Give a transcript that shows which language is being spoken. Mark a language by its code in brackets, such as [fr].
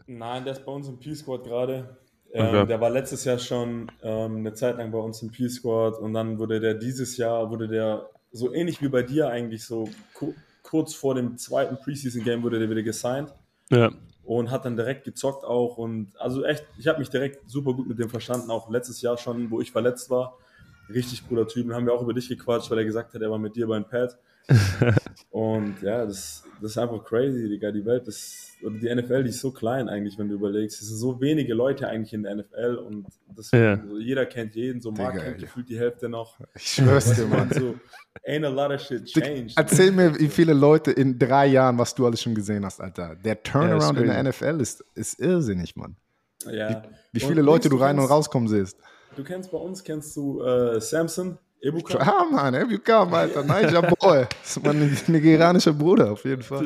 [de] Nein, der ist bei uns im P-Squad gerade. Okay. Der war letztes Jahr schon eine Zeit lang bei uns im P-Squad und dann wurde der so ähnlich wie bei dir eigentlich so kurz vor dem zweiten Preseason-Game wurde der wieder gesigned und hat dann direkt gezockt auch und also echt, ich habe mich direkt super gut mit dem verstanden, auch letztes Jahr schon, wo ich verletzt war, richtig cooler Typ, und haben wir auch über dich gequatscht, weil er gesagt hat, er war mit dir beim Pad und ja, das ist einfach crazy, Digga, die Welt ist, oder die NFL, die ist so klein eigentlich, wenn du überlegst, es sind so wenige Leute eigentlich in der NFL und das, also jeder kennt jeden, so Mark kennt gefühlt die Hälfte noch. Ich schwör's dir, Mann. [en] So, ain't a lot of shit changed. [de] Erzähl mir, wie viele Leute in 3 Jahren, was du alles schon gesehen hast, Alter. Der Turnaround in der NFL ist irrsinnig, Mann. Ja. Wie viele und Leute du rein und rauskommen siehst. Du kennst bei uns, kennst du Samson? Ebuka? Ja, Mann, Ebuka, Alter. Niger Boy. Das ist mein nigerianischer Bruder, auf jeden Fall.